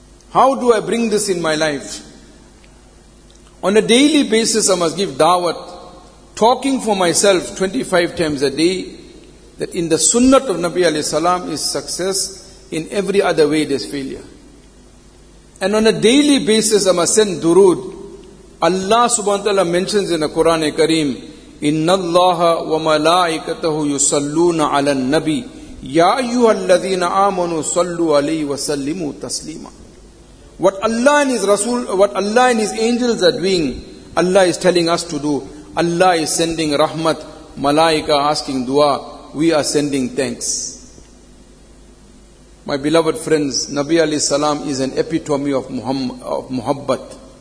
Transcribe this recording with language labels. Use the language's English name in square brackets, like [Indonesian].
[English] How do I bring this in my life? On a daily basis, I must give dawat, talking for myself 25 times a day, that in the sunnat of Nabi alayhi salam is success, in every other way there's failure. And on a daily basis, I must send durood. Allah subhanahu wa ta'ala mentions in the Quran Kareem, [Arabic] إِنَّ اللَّهَ وَمَلَائِكَتَهُ يُصَلُّونَ عَلَى النَّبِيِّ يَا أَيُّهَا الَّذِينَ آمَنُوا صَلُّوا عَلَيْهِ وَسَلِّمُوا تَسْلِيمًا. [English] What Allah and His Rasul, what Allah and His angels are doing, Allah is telling us to do. Allah is sending rahmat, malaika asking dua, we are sending thanks. My beloved friends, Nabi alayhi salam is an epitome of muhabbat.